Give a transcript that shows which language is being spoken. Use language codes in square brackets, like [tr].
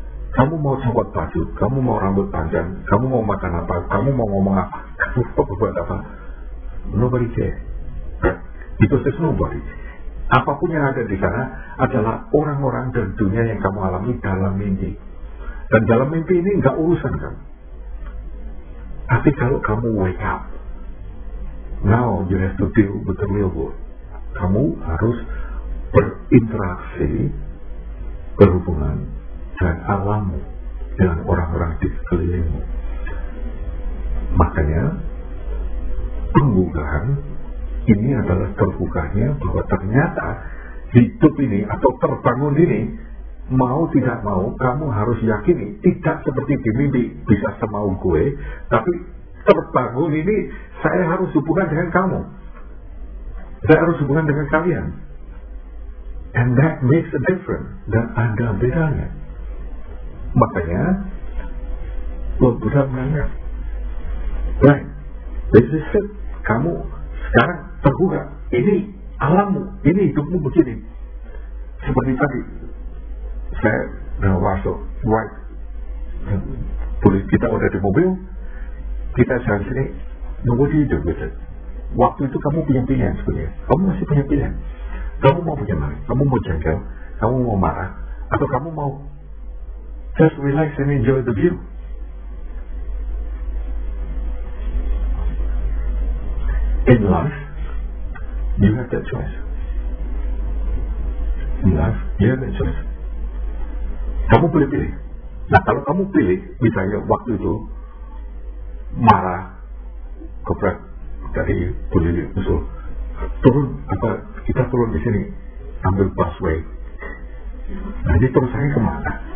[id] Kamu mau copot baju, kamu mau rambut panjang, kamu mau makan apa, kamu mau ngomong apa, kamu mau berbuat apa. [en] Nobody care. [id] Itu [en] just nobody. [id] Apapun yang ada di sana adalah orang-orang dan dunia yang kamu alami dalam mimpi. Dan dalam mimpi ini enggak urusan kan. Tapi kalau kamu [en] wake up, now you have to deal with the real world. [id] Kamu harus berinteraksi, berhubungan dengan alammu, dengan orang-orang di sekelilingmu. Makanya pembukaan ini adalah terbukanya bahwa ternyata hidup ini atau terbangun ini, mau tidak mau kamu harus yakini tidak seperti di mimpi bisa semau gue, tapi terbangun ini saya harus hubungan dengan kamu, saya harus hubungan dengan kalian. [en] And that makes a difference. [id] Dan ada bedanya. Makanya Lord Buddha menanya, [en] right, this is it. [id] Kamu sekarang terbuka. Ini alammu, ini hidupmu begini. Seperti tadi saya dengan Waso, right, polis kita udah di mobil, kita sekarang sini. Nunggu di hidup gitu. Waktu itu kamu punya pilihan sebenarnya. Kamu masih punya pilihan. Kamu mau bagaimana? Kamu mau jengkel? Kamu mau marah? Atau kamu mau [en] just relax and enjoy the view? In life, you have that choice. In life, you have that choice. [id] Kamu boleh pilih. Nah, kalau kamu pilih, misalnya waktu itu, marah, kepret, dari penduduk musuh. Turun, apa, kita turun di sini, ambil busway. Nah, ini terus saya kemana?